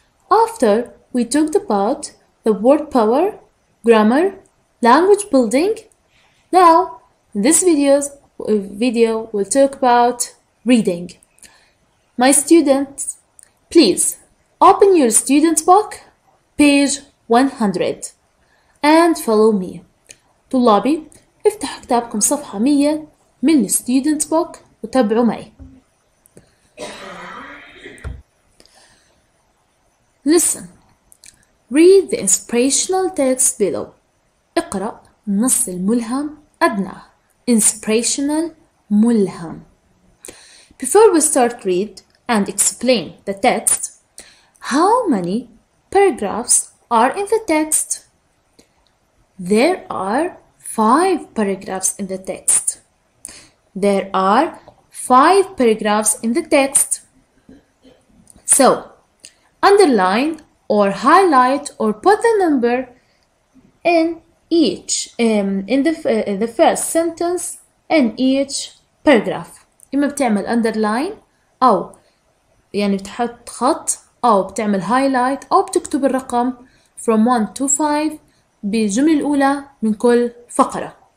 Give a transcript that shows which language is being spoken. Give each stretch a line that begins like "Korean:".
English: After we talked about the word power, grammar, language building, now in this video we'll talk about reading. My students, please open your student book, page 100, and follow me.
Arabic: طلابي افتحوا كتابكم صفحة 100 من
English: student book
Arabic: وتابعوا معي.
English: Listen, read the inspirational text below.
Arabic: اقرأ النص الملهم أدناه. Inspirational ملهم.
English: Before we start read and explain the text, how many paragraphs are in the text? There are 5 paragraphs in the text. There are 5 paragraphs in the text. So, underline or highlight or put the number in each in the first sentence in each paragraph.
Arabic: إما بتعمل underline أو يعني بتحط خط أو بتعمل highlight أو بتكتب الرقم
English: from 1 to 5
Arabic: بالجملة الأولى من كل فقرة.